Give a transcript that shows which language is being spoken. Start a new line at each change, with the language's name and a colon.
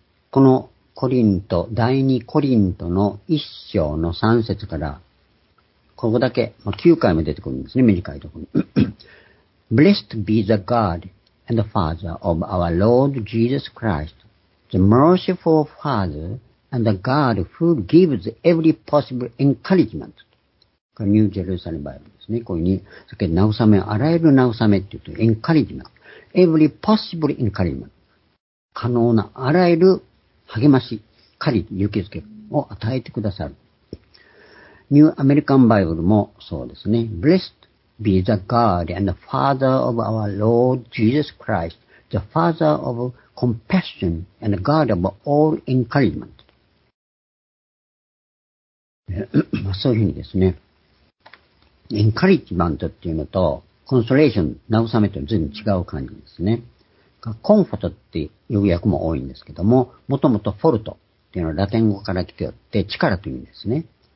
Japanese: このコリント、第二コリントの一章の三節から、ここだけ、まあ、9回も出てくるんですね、短いところに。
English: Blessed be the God and the Father of our Lord Jesus Christ. The merciful Father and the God who gives every possible encouragement.
Japanese: これ、New Jerusalem Bible ですね。こういうふうに、さっき、慰め、あらゆる慰めって言うと、encouragement.
English: Every possible encouragement.
Japanese: 可能なあらゆる励まし、借り、勇気づけを与えてくださる。 New American Bible もそうですね。
English: Blessed be the God and the Father of our Lord Jesus Christ, the Father ofCompassion and God of all encouragement.
Japanese: そういうふうにですね、エンカリッジメントっていうのと、コンソレーション、慰めというのは随分違う感じですね。コンフォートっていう訳も多いんですけども、もともとフォルトっていうのはラテン語から来ておって、力という意味ですね。